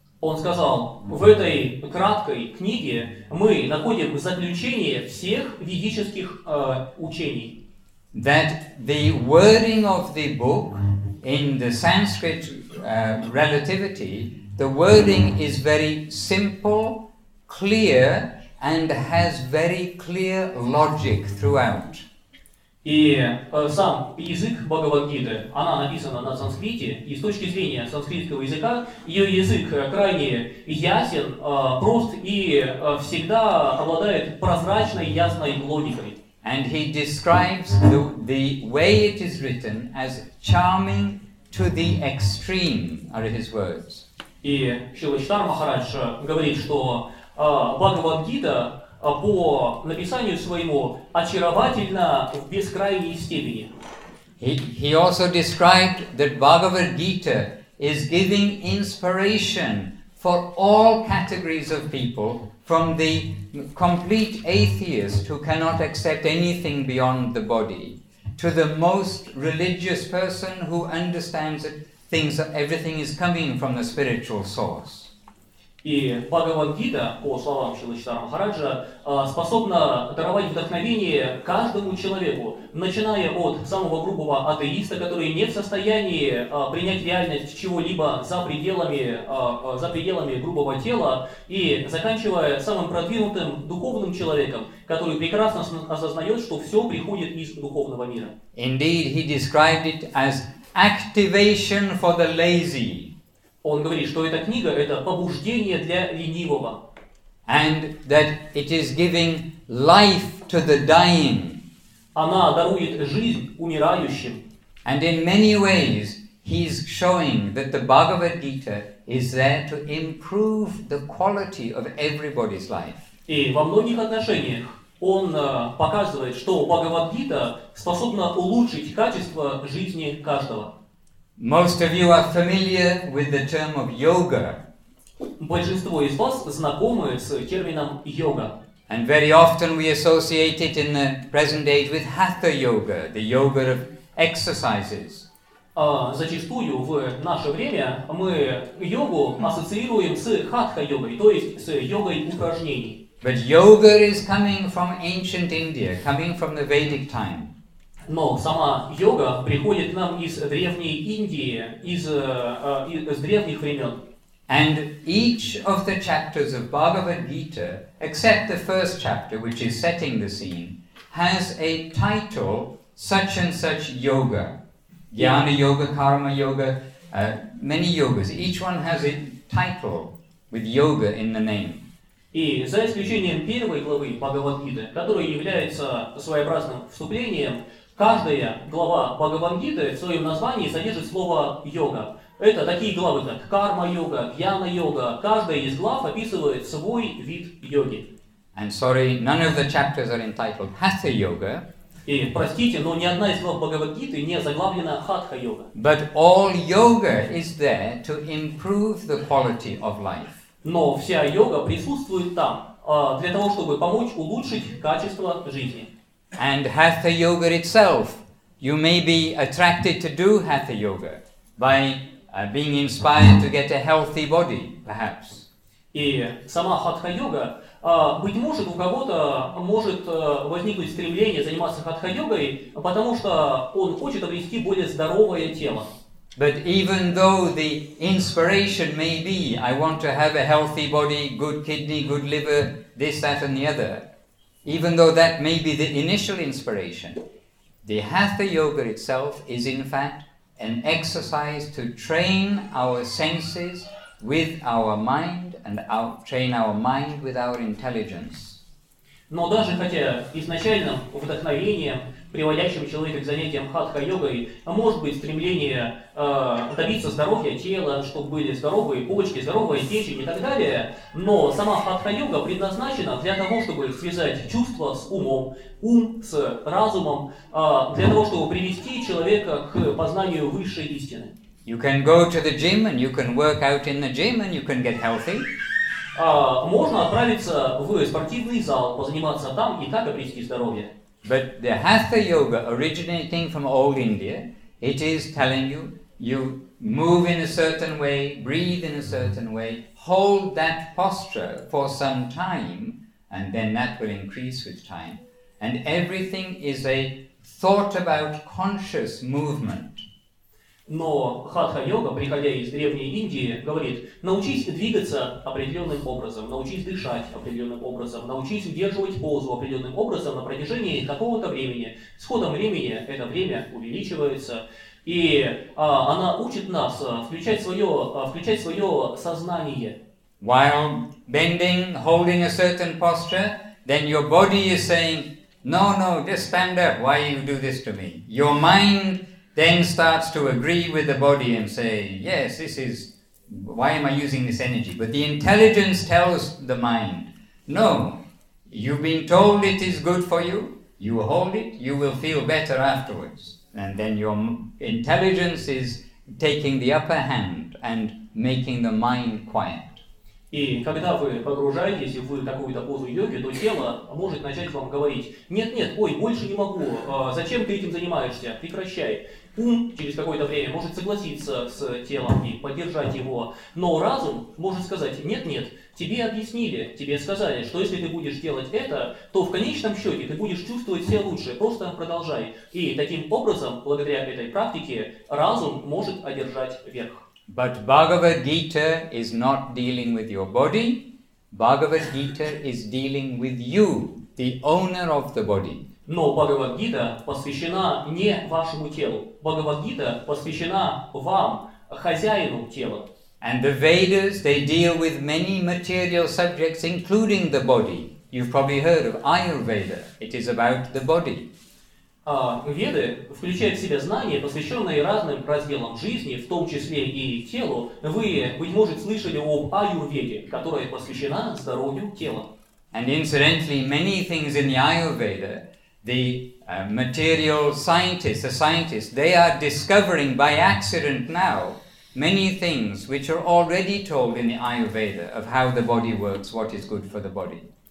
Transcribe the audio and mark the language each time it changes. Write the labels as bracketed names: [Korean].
[Russian] Он сказал, в этой краткой книге мы находим заключение всех ведических учений. [English] That the wording of the book in the Sanskrit relativity, the wording is very simple, clear, and has very clear logic throughout. [Russian] И сам язык Бхагавад-гиты, она написана на санскрите, и с точки зрения санскритского языка, ее язык крайне ясен, прост и всегда обладает прозрачной, ясной логикой. [English] And he describes the way it is written as charming to the extreme, are his words. [Russian] И Шрила Читар Махарадж говорит, что Бхагавад-гита по написанию своему очаровательна в бескрайней степени. [English] He also described that Bhagavad-gita is giving inspiration for all categories of people, from the complete atheist who cannot accept anything beyond the body, to the most religious person who understands that things, everything is coming from the spiritual source. [Russian] И Бхагавад-гита, по словам Шрилы Читара Махараджа, способна даровать вдохновение каждому человеку, начиная от самого грубого атеиста, который не в состоянии принять реальность чего-либо за пределами грубого тела, и заканчивая самым продвинутым духовным человеком, который прекрасно осознает, что все приходит из духовного мира. [English] Indeed, he described it as activation for the lazy. [Russian] Он говорит, что эта книга – это побуждение для ленивого. [English] And that it is giving life to the dying. [Russian] Она дарует жизнь умирающим. [English] And in many ways, he's showing that the Bhagavad Gita is there to improve the quality of everybody's life. [Russian] И во многих отношениях он показывает, что Бхагавад-гита способна улучшить качество жизни каждого. [English] Most of you are familiar with the term of yoga. [Russian] Большинство из вас знакомы с термином йога. [English] And very often we associate it in the present age with hatha yoga, the yoga of exercises. [Russian] Зачастую в наше время мы йогу ассоциируем с хатха йогой, то есть с йогой упражнений. [English] But yoga is coming from ancient India, coming from the Vedic time. [Russian] Но сама йога приходит нам из древней Индии, из древних времен. [English] And each of the chapters of Bhagavad Gita, except the first chapter, which is setting the scene, has a title such and such yoga. Jnana yoga, karma yoga, many yogas. Each one has a title with yoga in the name. [Russian] И за исключением первой главы Бхагавад-гиты, которая является своеобразным вступлением, каждая глава Бхагавад-гиты в своем названии содержит слово «йога». Это такие главы, как карма-йога, гьяна-йога. Каждая из глав описывает свой вид йоги. [English] And sorry, none of the chapters are entitled «hatha-йога». [Russian] И простите, но ни одна из глав Бхагавад-гиты не заглавлена «хатха-йога». [English] But all yoga is there to improve the quality of life. [Russian] Но вся йога присутствует там, для того, чтобы помочь улучшить качество жизни. [English] And hatha yoga itself, you may be attracted to do hatha yoga by being inspired to get a healthy body, perhaps. [Russian] И сама хатха йога, быть может, у кого-то может возникнуть стремление заниматься хатха йогой, потому что он хочет обрести более здоровое тело. [English] But even though the inspiration may be, I want to have a healthy body, good kidney, good liver, this, that, and the other, even though that may be the initial inspiration, the hatha yoga itself is in fact an exercise to train our senses with our mind and train our mind with our intelligence. [Russian] Но даже хотя изначальным вдохновением, приводящим человека к занятиям хатха-йогой, может быть стремление добиться здоровья тела, чтобы были здоровые почки, здоровая печень и так далее, но сама хатха-йога предназначена для того, чтобы связать чувства с умом, ум с разумом, для того, чтобы привести человека к познанию высшей истины. [English] You can go to the gym and you can work out in the gym and you can get healthy. [Russian] Можно отправиться в спортивный зал, позаниматься там и так обрести здоровье. [English] But the hatha yoga originating from old India, it is telling you, you move in a certain way, breathe in a certain way, hold that posture for some time, and then that will increase with time. And everything is a thought about conscious movement. [Russian] Но хатха-йога, приходя из Древней Индии, говорит, научись двигаться определенным образом, научись дышать определенным образом, научись удерживать позу определенным образом на протяжении какого-то времени. С ходом времени это время увеличивается. И она учит нас включать свое сознание. [English] While bending, holding a certain posture, then your body is saying, no, no, just stand up, why you do this to me? Your mind then starts to agree with the body and say, yes, this is, why am I using this energy? But the intelligence tells the mind, no, you've been told it is good for you, you hold it, you will feel better afterwards. And then your intelligence is taking the upper hand and making the mind quiet. [Russian] И когда вы погружаетесь в какую-то позу йоги, то тело может начать вам говорить, нет-нет, ой, больше не могу, зачем ты этим занимаешься, прекращай. Ум через какое-то время может согласиться с телом и поддержать его, но разум может сказать, нет-нет, тебе объяснили, тебе сказали, что если ты будешь делать это, то в конечном счете ты будешь чувствовать себя лучше, просто продолжай. И таким образом, благодаря этой практике, разум может одержать верх. [English] But Bhagavad Gita is not dealing with your body. Bhagavad Gita is dealing with you, the owner of the body. [Russian] Но Бхагавад Гита посвящена не вашему телу. Бхагавад Гита посвящена вам, хозяину тела. [English] And the Vedas, they deal with many material subjects, including the body. You've probably heard of Ayurveda. It is about the body. [Russian] Веды включают в себя знания, посвященные разным разделам жизни, в том числе и телу. Вы, быть может, слышали об Аюрведе, которая посвящена здоровью тела. [English] And incidentally, many things in the Ayurveda, the material scientists, the scientists, they are discovering by accident now many things which are already told in the Ayurveda of how the body works, what is good for the body.